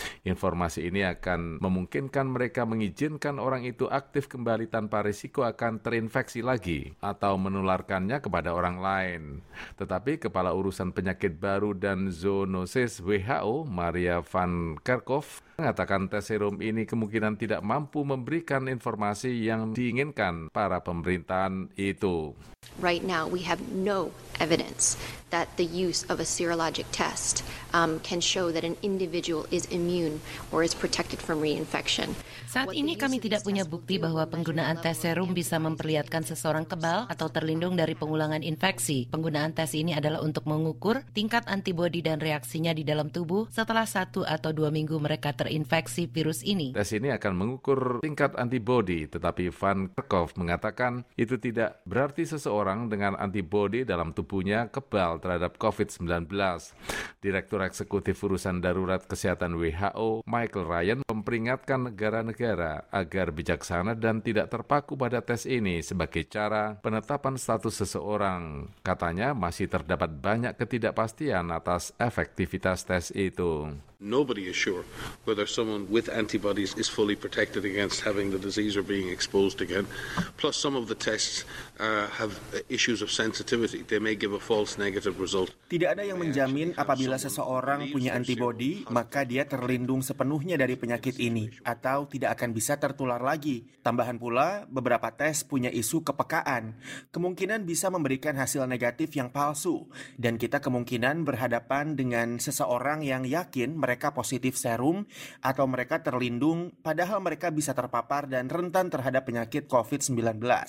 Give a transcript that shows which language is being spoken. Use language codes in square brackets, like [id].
[id] Informasi ini akan memungkinkan mereka mengizinkan orang itu aktif kembali tanpa risiko akan terinfeksi lagi atau menularkannya kepada orang lain. Tetapi Kepala Urusan Penyakit Baru dan Zoonosis WHO, Maria van Kerkhove, mengatakan tes serum ini kemungkinan tidak mampu memberikan informasi yang diinginkan para pemerintahan itu. [en] Right now we have no evidence that the use of a serologic test can show that an individual is immune or is protected from reinfection. [id] Saat ini kami tidak punya bukti bahwa penggunaan tes serum bisa memperlihatkan seseorang kebal atau terlindung dari pengulangan infeksi. Penggunaan tes ini adalah untuk mengukur tingkat antibodi dan reaksinya di dalam tubuh setelah 1 atau 2 minggu mereka terinfeksi virus ini. Tes ini akan mengukur tingkat antibodi, tetapi Van Kerkhove mengatakan itu tidak berarti seseorang dengan antibodi dalam tubuhnya kebal terhadap COVID-19. Direktur Eksekutif Urusan Darurat Kesehatan WHO, Michael Ryan, memperingatkan negara-negara agar bijaksana dan tidak terpaku pada tes ini sebagai cara penetapan status seseorang. Katanya masih terdapat banyak ketidakpastian atas efektivitas tes itu. [en] Nobody is sure whether someone with antibodies is fully protected against having the disease or being exposed again. Plus, some of the tests have issues of sensitivity. They may give a false negative result. [id] Tidak ada yang menjamin apabila seseorang punya antibody, maka dia terlindung sepenuhnya dari penyakit ini atau tidak akan bisa tertular lagi. Tambahan pula, beberapa tes punya isu kepekaan. Kemungkinan bisa memberikan hasil negatif yang palsu. Dan kita kemungkinan berhadapan dengan seseorang yang yakin mereka positif serum atau mereka terlindung padahal mereka bisa terpapar dan rentan terhadap penyakit COVID-19.